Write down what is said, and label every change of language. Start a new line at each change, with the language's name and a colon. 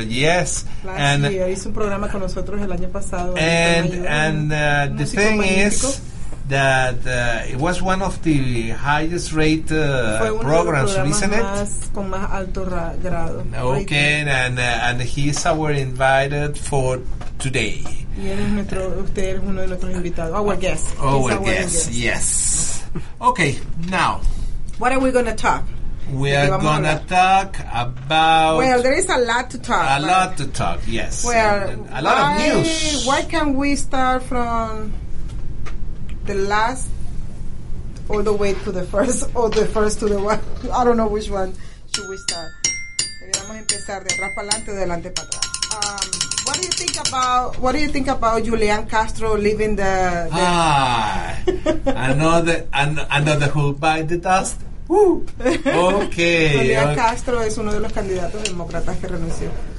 Spanish: Hizo un programa con nosotros el año pasado.
English: And the thing is that it was one of the highest rate programs, isn't it?
Spanish: Con más alto grado.
English: Okay, and he is our invited for today. Our guest. Yes. Okay, now. What are we going to talk? We are going to talk about... Well, there is a lot to talk. Well, and a lot of news. Why can't we start from the last all the way to the first, or the first to the one? I don't know which one should we start.
Spanish: Deberíamos empezar de atrás para adelante, de adelante para atrás.
English: What do you think about Julian Castro leaving the another who bite the dust? Woo. Okay.
Spanish: Julian Castro es uno de los candidatos demócratas que renunció.